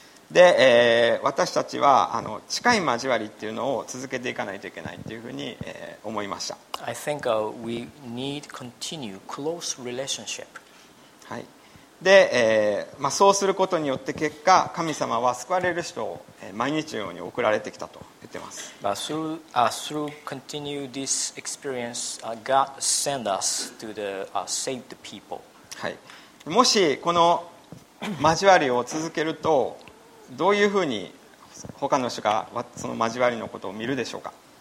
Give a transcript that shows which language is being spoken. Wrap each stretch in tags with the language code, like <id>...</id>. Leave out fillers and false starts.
<ja>で、私たちは近い交わりっていうのを続けていかないといけないというふうに、思いました。</ja> <en>I think we need continue close relationship.</en> <ja>はい。で、そうすることによって結果神様は救われる人を毎日のように送られてきたと言ってます。</ja> <en>Through continue this experience, God send us to the saved people.</en> <ja>はい。もしこの交わりを続けるとどういうふうに他の人がその交わりのことを見るでしょうか。</ja>